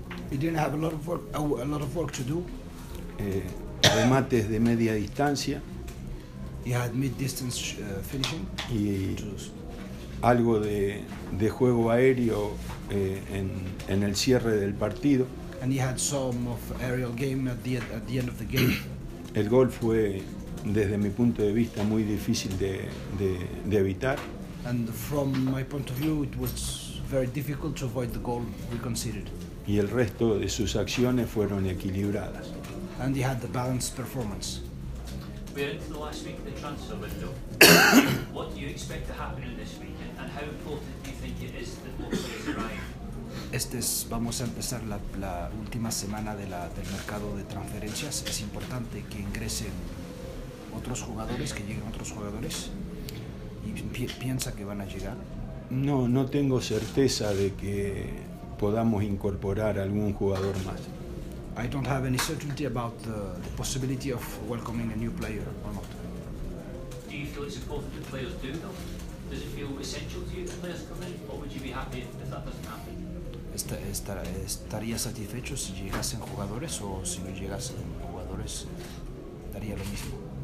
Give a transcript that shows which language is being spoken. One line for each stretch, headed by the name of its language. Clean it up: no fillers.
English: He didn't have a lot of work to do.
Spanish: Remates de media distancia.
English: He had mid-distance finishing.
Spanish: Y algo de juego aéreo en el cierre del partido.
English: And he had some of aerial game at the end of the game.
Spanish: El gol fue, desde mi punto de vista, muy difícil de evitar.
English: And from my point of view, it was very difficult to avoid the goal we conceded.
Spanish: y el resto de sus acciones fueron equilibradas.
English: And he had the balanced performance. We're into the last week of the transfer window. What do you expect to happen in this week, and how important do you think it is that more players arrive?
Spanish: Vamos a empezar la última semana del mercado de transferencias. Es importante que ingresen otros jugadores, que lleguen otros jugadores. ¿Y piensa que van a llegar? No tengo certeza de que podamos incorporar algún jugador más.
English: I don't have any certainty about the possibility of welcoming a new player or not. Do you feel it's important that players do though? Does it feel essential to you that players come in, or would you be happy if that doesn't happen?
Spanish: Estaría satisfecho si llegasen jugadores, o si no llegasen jugadores, estaría lo mismo.